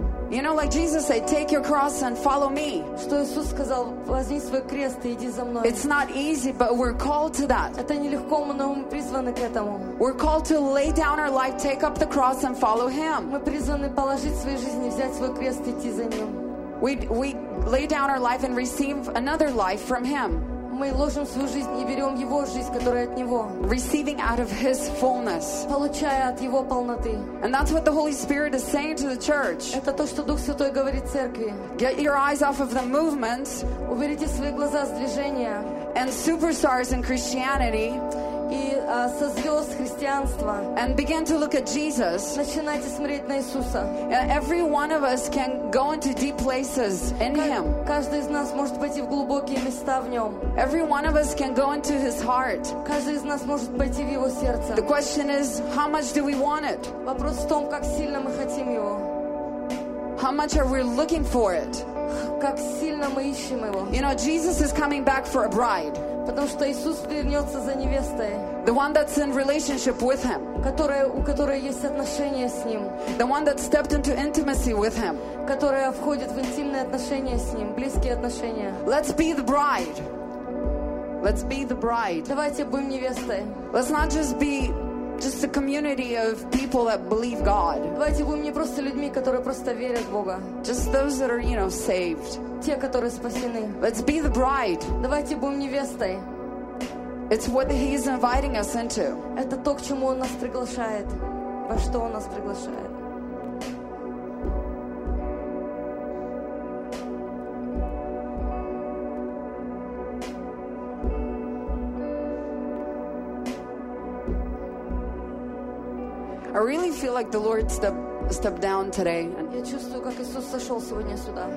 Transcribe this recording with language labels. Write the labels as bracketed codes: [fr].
[en] You know, like Jesus said, take your cross and follow me. [ru] Что Иисус сказал, возьми свой крест и иди за мной. [en] It's not easy, but we're called to that. [ru] Это нелегко, но мы призваны к этому. [en] We're called to lay down our life, take up the cross and follow him. [ru] Мы призваны положить свою жизнь и взять свой крест и идти за ним. [en] We lay down our life and receive another life from him. [ru] Мы ложим свою жизнь и берем его жизнь, которая от него. [en] Receiving out of his fullness. [ru] Получая от его полноты. [en] And that's what the Holy Spirit is saying to the church. [ru] Это то, что Дух Святой говорит церкви. [en] Get your eyes off of the movement. [ru] Уберите свои глаза с движения. [en] And superstars in Christianity. [ru] И со звезд христианства. [en] And begin to look at Jesus. [ru] Начинайте смотреть на Иисуса. [en] Every one of us can go into deep places in him. [ru] Каждый из нас может пойти в глубокие места в нем. [en] Every one of us can go into his heart. [ru] Каждый из нас может пойти в его сердце. [en] The question is, how much do we want it? [ru] Вопрос в том, как сильно мы хотим его. [en] How much are we looking for it? [ru] Как сильно мы ищем его. [en] You know, Jesus is coming back for a bride. [ru] Потому что Иисус вернется за невестой. [en] The one that's in relationship with him. [ru] У которой есть отношения с ним. [en] The one that stepped into intimacy with him. [ru] Которая входит в интимные отношения с ним, близкие отношения. [en] Let's be the bride. Let's be the bride. [ru] Давайте будем невестой. [en] Let's not just be a community of people that believe God. [ru] Давайте будем не просто людьми, которые просто верят в Бога. [en] Just those that are, you know, saved. [ru] Те, которые спасены. [en] Let's be the bride. [ru] Давайте будем невестой. [en] It's what he is inviting us into. [ru] Это то, к чему он нас приглашает. Во что он нас приглашает. [en] I really feel like the Lord stepped down today. [ru] Я чувствую, как Иисус сошел сегодня сюда.